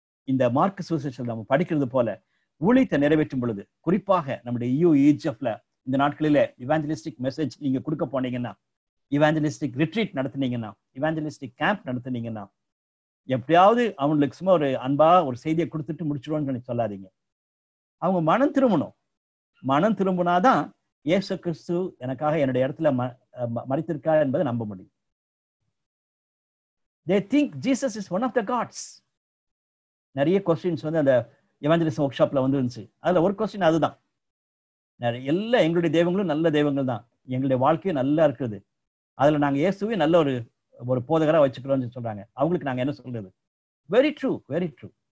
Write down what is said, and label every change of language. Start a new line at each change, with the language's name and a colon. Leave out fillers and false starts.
Tamil: இந்த மார்க் சுவிசேஷம் நம்ம படிக்கிறது போல ஊழியத்தை நிறைவேற்றும் பொழுது குறிப்பாக நம்முடைய யூ ஈஜப்ல இந்த நாட்களில இவாஞ்சலிஸ்டிக் மெசேஜ் நீங்க கொடுக்க போனீங்கன்னா, இவாஞ்சலிஸ்டிக் ரிட்ரீட் நடத்துனீங்கன்னா, இவாஞ்சலிஸ்டிக் கேம்ப் நடத்துனீங்கன்னா, எப்படியாவது அவங்களுக்கு சும்மா ஒரு அன்பா ஒரு செய்தியை கொடுத்துட்டு முடிச்சிருவோன்னு சொல்லாதீங்க. அவங்க மனம் திரும்பணும். மனம் திரும்பினாதான் இயேசு கிறிஸ்து எனக்காக என்னுடைய இடத்துல மறித்திருக்கா என்பதை நம்ப முடியும்.
English: They think Jesus is one of the gods.
Tamil: நிறைய questions வந்து அந்த எவாஞ்சலிசம் ஒர்க் ஷாப்ல வந்துருந்துச்சு. அதுல ஒரு க்வெஸ்டின் அதுதான், எல்லா எங்களுடைய தெய்வங்களும் நல்ல தெய்வங்கள் தான், எங்களுடைய வாழ்க்கையும் நல்லா இருக்குது, அதுல நாங்க இயேசுவையும் நல்ல ஒரு ஒரு போதகரா வச்சுக்கிறோம்னு சொல்றாங்க. அவங்களுக்கு நாங்க என்ன சொல்றது?
English: Very true, very true.